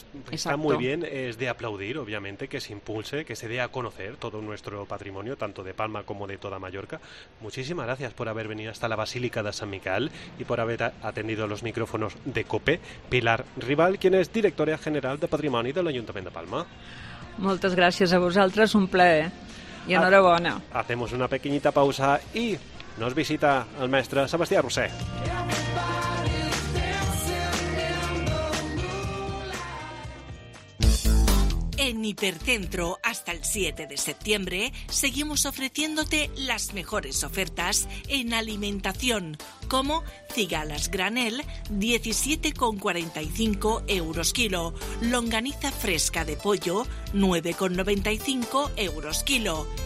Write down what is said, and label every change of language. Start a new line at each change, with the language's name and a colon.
Spanish: Está muy bien, es de aplaudir, obviamente, que se impulse, que se dé a conocer todo nuestro patrimonio, tanto de Palma como de toda Mallorca. Muchísimas gracias por haber venido hasta la Basílica de San Miguel y por haber atendido los micrófonos de COPE. Pilar Rival, quien es directora general de Patrimonio del Ayuntamiento de Palma.
Catalan: Moltes gràcies a vosaltres, un plaer. I enhorabona.
Spanish: Hacemos una pequeñita pausa i nos visita el mestre Sebastià Roser. En Hipercentro, hasta el 7 de septiembre, seguimos ofreciéndote las mejores ofertas en alimentación, como cigalas granel, 17,45 euros kilo, longaniza fresca de pollo, 9,95 euros kilo.